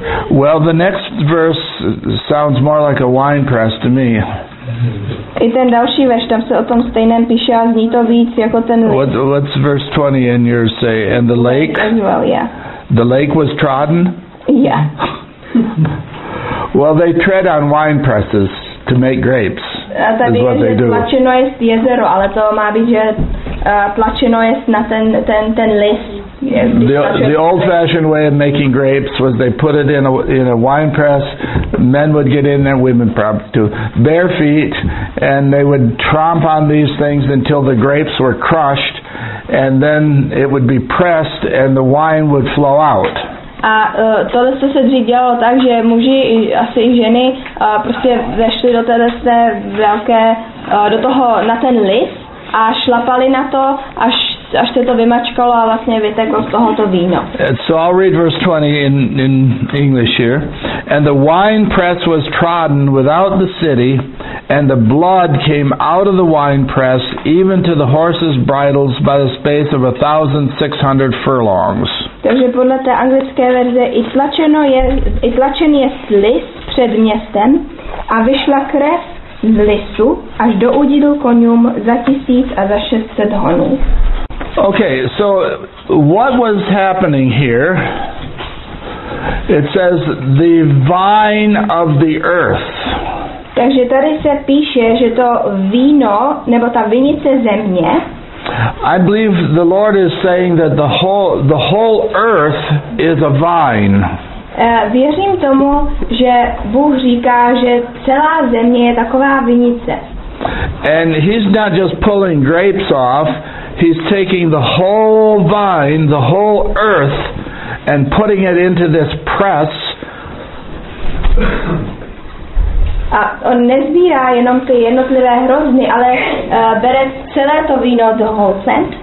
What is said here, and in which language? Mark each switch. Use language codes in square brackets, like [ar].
[en] Well, the next verse sounds more like a wine press to me. [cs] I ten další verš, tam se o tom stejném píše a zní to víc jako ten... [en] What's verse 20 in your say? And the lake? As well, yeah. The lake was trodden? Yeah. Well, they tread on wine presses to make grapes, is what they do. [cs] A tady je, že tlačeno jest jezero, ale to má být, že tlačeno jest na ten lis. [en] The old-fashioned way of making grapes was they put it in a wine press. Men would get in there, women probably too, bare feet, and they would tromp on these things until the grapes were crushed, and then it would be pressed, and the wine would flow out. [cs] A tohle se dřív dělalo tak, že muži asi i ženy prostě vešli do téhle té velké do toho na ten lis a šlapali na to, až se to vymačkalo a vlastně vyteklo z tohoto víno. [en] So I'll read verse 20 in English here. And the wine press was trodden without the city, and the blood came out of the wine press, even to the horses' bridles by the space of 1,600 furlongs. [cs] Takže podle té anglické verze i tlačen jest lis před městem a vyšla krev z lisu až do udidu konům za 1,000 a za 600 honů. [en] Okay, so what was happening here? It says the vine of the earth. [cs] Takže tady se píše, že to víno nebo ta vinice země. [en] I believe the Lord is saying that the whole earth is a vine. [cs] Věřím tomu, že Bůh říká, že celá země je taková vinice. [en] And he's not just pulling grapes off. He's taking the whole vine, the whole earth, and putting it into this press. [cs] A on nezbírá jenom ty jednotlivé hrozny, ale bere celé to víno do holce.